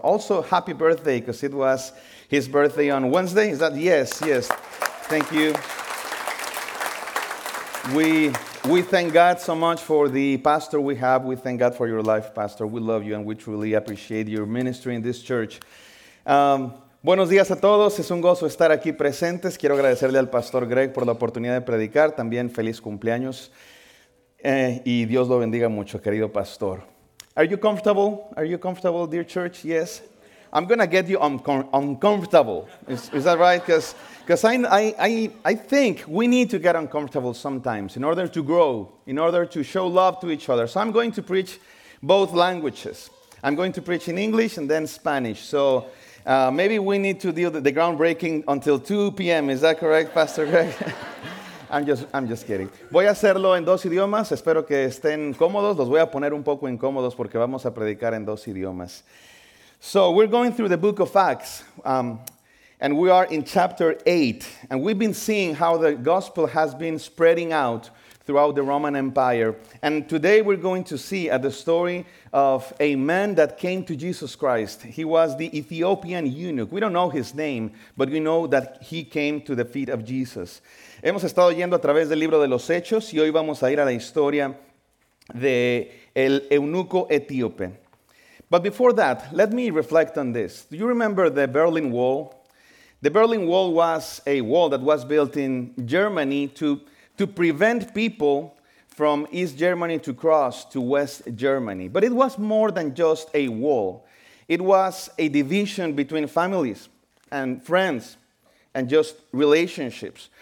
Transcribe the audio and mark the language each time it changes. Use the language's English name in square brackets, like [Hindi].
[English] Also, happy birthday, because it was his birthday on Wednesday. Is that? Yes. Thank you. We thank God so much for the pastor we have. We thank God for your life, Pastor. We love you and we truly appreciate your ministry in this church. [Spanish] Buenos días a todos. Es un gozo estar aquí presentes. Quiero agradecerle al Pastor Greg por la oportunidad de predicar. También feliz cumpleaños. Y Dios lo bendiga mucho, querido Pastor. [English] Are you comfortable? Are you comfortable, dear church? Yes. I'm going to get you uncomfortable. Is that right? Because I think we need to get uncomfortable sometimes in order to grow, in order to show love to each other. So I'm going to preach both languages. I'm going to preach in English and then Spanish. So maybe we need to deal with the groundbreaking until 2 p.m. Is that correct, Pastor Greg? I'm just kidding. [Spanish] Voy a hacerlo en dos idiomas. Espero que estén cómodos. Los voy a poner un poco incómodos porque vamos a predicar en dos idiomas. [English] So we're going through the book of Acts, and we are in chapter 8, and we've been seeing how the gospel has been spreading out throughout the Roman Empire. And today we're going to see at the story of a man that came to Jesus Christ. He was the Ethiopian eunuch. We don't know his name, but we know that he came to the feet of Jesus. [Spanish] Hemos estado yendo a través del libro de los Hechos, y hoy vamos a ir a la historia de el eunuco etíope. [English] But before that, let me reflect on this. Do you remember the Berlin Wall? The Berlin Wall was a wall that was built in Germany to prevent people from East Germany to cross to West Germany. But it was more than just a wall. It was a division between families and friends and just relationships.